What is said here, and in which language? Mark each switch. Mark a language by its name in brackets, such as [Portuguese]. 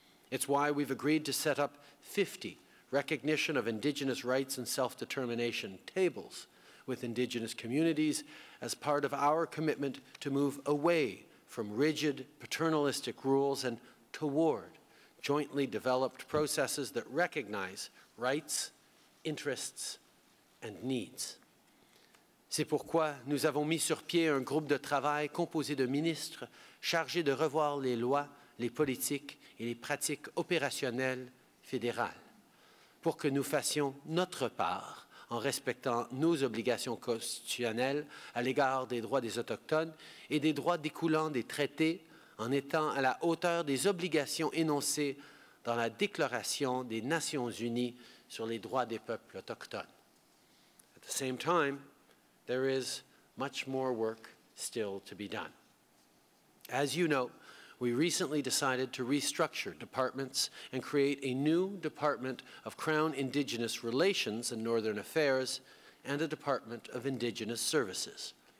[English] It's why we've agreed to set up 50 recognition of Indigenous rights and self-determination tables with Indigenous communities as part of our commitment to move away from rigid paternalistic rules and toward jointly developed processes that recognize rights, interests, and needs. [French] C'est pourquoi nous avons mis sur pied un groupe de travail composé de ministres chargés de revoir les lois, les politiques et les pratiques opérationnelles fédérales, pour que nous fassions notre part en respectant nos obligations constitutionnelles à l'égard des droits des Autochtones et des droits découlant des traités en étant à la hauteur des obligations énoncées dans la Déclaration des Nations Unies sur les droits des peuples autochtones. [English] At the same time, there is much more work still to be done. As you know, we recently decided to restructure departments and create a new Department of Crown Indigenous Relations and Northern Affairs and a Department of Indigenous Services.